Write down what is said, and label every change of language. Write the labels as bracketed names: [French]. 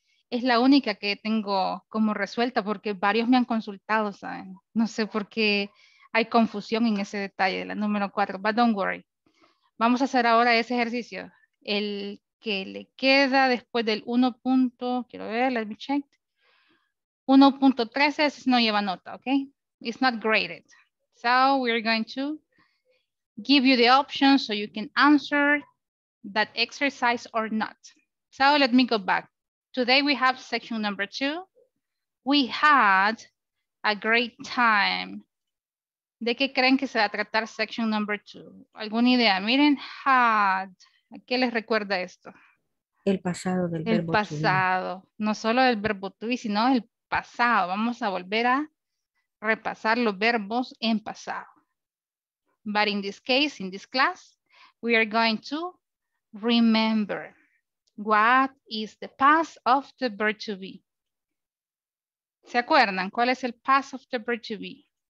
[Spanish] Es la única que tengo como resuelta, porque varios me han consultado, ¿saben? No sé por qué hay confusión en ese detalle, la número 4, [English] but don't worry. [Spanish] Vamos a hacer ahora ese ejercicio. El que le queda después del 1 punto, quiero ver, [English] let me check. [Spanish] 1.13, ese no lleva nota, ¿ok? [English] It's not graded. So we're going to give you the options so you can answer that exercise or not. So let me go back. Today we have section number 2. We had a great time. [Spanish] ¿De qué creen que se va a tratar [English] section number 2? [Spanish] ¿Alguna idea? Miren, had. ¿A qué les recuerda esto? El pasado del verbo. El pasado. No solo del verbo to be, sino el pasado. Vamos a volver a repasar los verbos en pasado. [English] But in this case, in this class, we are going to remember what is the past of the verb to be. [Spanish] ¿Se acuerdan cuál es el [English] past of the verb to be?